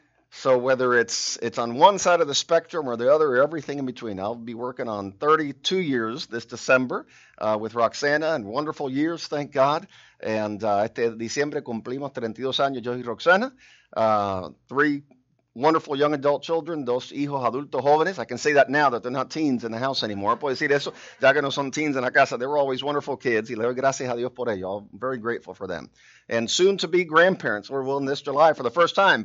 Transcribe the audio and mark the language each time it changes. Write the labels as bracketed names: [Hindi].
[English] So whether it's on one side of the spectrum or the other or everything in between, I'll be working on 32 years this December with Roxana, and wonderful years, thank God. [Spanish] And este diciembre cumplimos 32 años, yo y Roxana, [English] three wonderful young adult children, [Spanish] dos hijos adultos jóvenes. [English] I can say that now that they're not teens in the house anymore. [Spanish] Puedo decir eso, ya que no son teens en la casa. [English] They were always wonderful kids. [Spanish] Y le doy gracias a Dios por ello. [English] I'm very grateful for them. And soon to be grandparents, Lord willing, this July for the first time.